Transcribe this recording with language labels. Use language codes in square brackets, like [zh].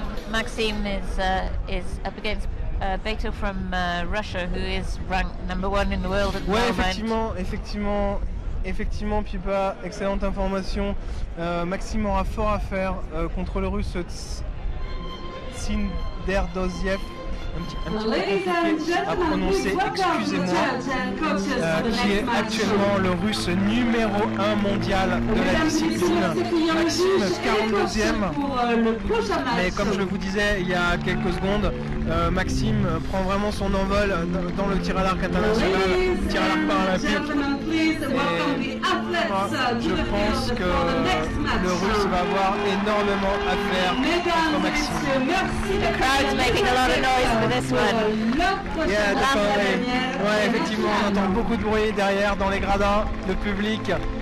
[en] Maxime is up against Beto from Russia, who is ranked number one in the world at the moment. [fr] Ouais, effectivement, Pipa, excellente information. Maxime aura fort à faire contre le russe Tsinder Doziev. Un petit peu compliqué à prononcer, excusez-moi, qui est actuellement le russe numéro 1 mondial de la discipline, Maxime, 42e. Mais comme je vous disais il y a quelques secondes, Maxime prend vraiment son envol dans le tir à l'arc international, tir à l'arc paralympique. Je pense que le russe va avoir énormément à faire contre Maxime. [en] The crowd's making a lot of noise for this one. Yeah, definitely. [fr] Ouais, effectivement, on entend beaucoup de bruit derrière dans les gradins, le public.